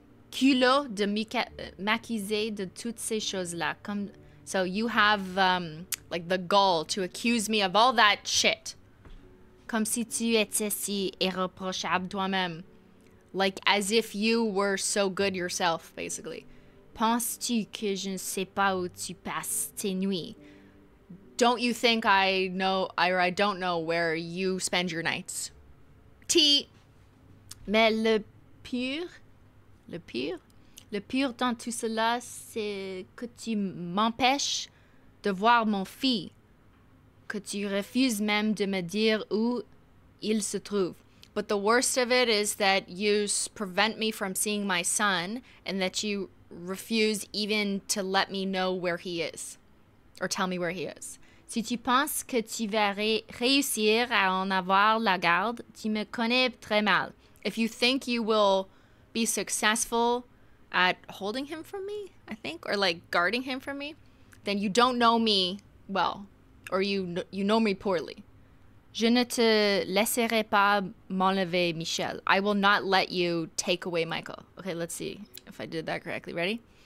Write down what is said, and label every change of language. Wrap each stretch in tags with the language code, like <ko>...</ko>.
<fr>Culot de m'accuser de toutes ces choses-là. Comme...</fr> <en>So you have, like, the gall to accuse me of all that shit.</en> <fr>Comme si tu étais si irréprochable toi-même.</fr> <en>Like, as if you were so good yourself, basically.</en> <fr>Penses-tu que je ne sais pas où tu passes tes nuits?</fr> <en>Don't you think I know, or I don't know where you spend your nights? Tea!</en> <fr>Mais le pire... Le pire? Le pire dans tout cela, c'est que tu m'empêches de voir mon fille. Que tu refuses même de me dire où il se trouve.</fr> <en>But the worst of it is that you prevent me from seeing my son and that you refuse even to let me know where he is. Or tell me where he is.</en> <fr>Si tu penses que tu vas réussir à en avoir la garde, tu me connais très mal.</fr> <en>If you think you will be successful at holding him from me, I think, or like guarding him from me, then you don't know me well. Or you know me poorly.</en> <fr>Je ne te laisserai pas m'enlever Michel.</fr> <en>I will not let you take away Michael. Okay, let's see if I did that correctly. Ready?</en>